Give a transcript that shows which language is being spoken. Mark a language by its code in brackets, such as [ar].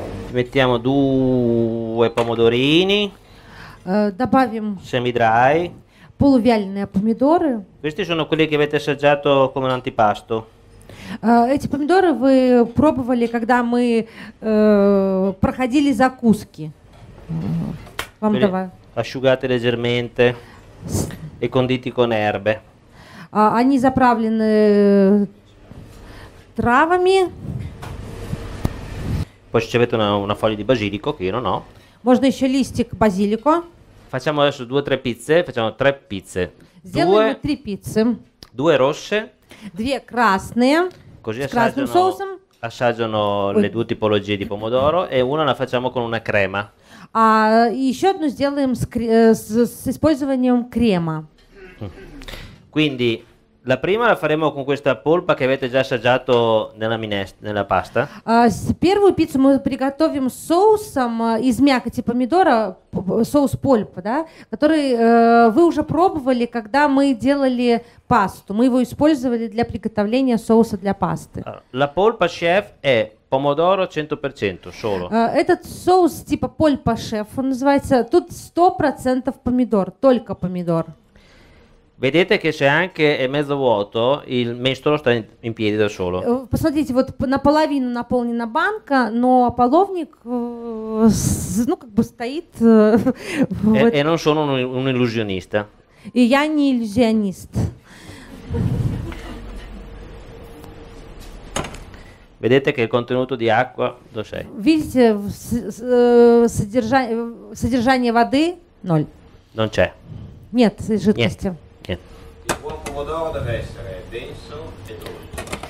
[it] Mettiamo due pomodorini. [ru] Добавим [en] semi dry. [ru] Полувяленые помидоры. [it] Questi sono quelli che avete assaggiato come un antipasto. [ru] Эти помидоры вы пробовали, когда мы проходили закуски. Вам давай. [it] Asciugate leggermente e conditi con erbe. [ru] Они заправлены травами. [it] Poi ci avete una foglia di basilico che io non ho. [ru] Можно еще листик базилико. [it] Facciamo adesso due o tre pizze, facciamo tre pizze. [ru] Сделаем три пиццы. [it] Due rosse. [ru] Две красные. [it] Così assaggiano le due tipologie di pomodoro e una la facciamo con una crema. [ru] Еще одну сделаем с использованием крема. [it] Quindi la prima la faremo con questa polpa che avete già assaggiato nella nella pasta. [ru] Первую пиццу мы приготовим с соусом из мякоти помидора, соус польпа, да, который вы уже пробовали, когда мы делали пасту. Мы его использовали для приготовления соуса для пасты. [it] La polpa chef è pomodoro 100% solo. [ru] Этот соус типа польпа шеф, он называется, тут 100% помидор, только помидор. [it] Vedete che se anche è mezzo vuoto, il mestolo sta in piedi da solo. [ru] Посмотрите, вот наполовину наполнена банка, но половник, ну как бы стоит. [it] E non sono un illusionista. [ru] И я не иллюзионист. [it] Vedete che il contenuto di acqua lo sei. [ru] Видите, содержание воды ноль. [it] Non c'è. [ru] Нет жидкости. [it] Il buon pomodoro deve essere denso e dolce.